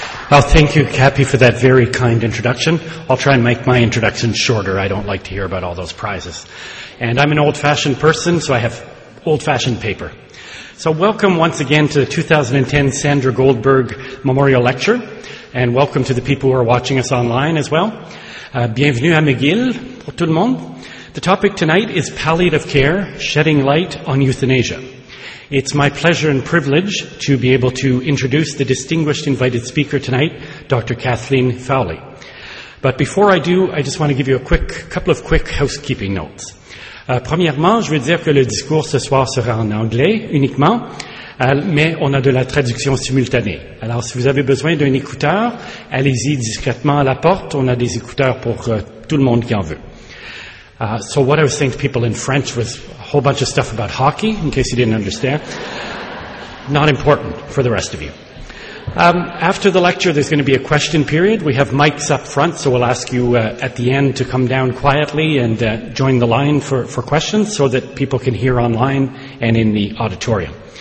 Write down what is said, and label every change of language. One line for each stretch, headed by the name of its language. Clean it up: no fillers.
English: Well, thank you, Cappy, for that very kind introduction. I'll try and make my introduction shorter. I don't like to hear about all those prizes. And I'm an old-fashioned person, so I have old-fashioned paper. So welcome once again to the 2010 Sandra Goldberg Memorial Lecture, and welcome to the people who are watching us online as well.
French: Bienvenue à McGill, pour tout le monde.
English: The topic tonight is palliative care, shedding light on euthanasia. It's my pleasure and privilege to be able to introduce the distinguished invited speaker tonight, Dr. Kathleen Foley. But before I do, I just want to give you a couple of quick housekeeping notes.
French: Premièrement, je veux dire que le discours ce soir sera en anglais uniquement, mais on a de la traduction simultanée. Alors, si vous avez besoin d'un écouteur, allez-y discrètement à la porte. On a des écouteurs pour tout le monde qui en veut.
English: So what I was saying to people in French was a whole bunch of stuff about hockey, in case you didn't understand. Not important for the rest of you. After the lecture, there's going to be a question period. We have mics up front, so we'll ask you at the end to come down quietly and join the line for questions so that people can hear online and in the auditorium.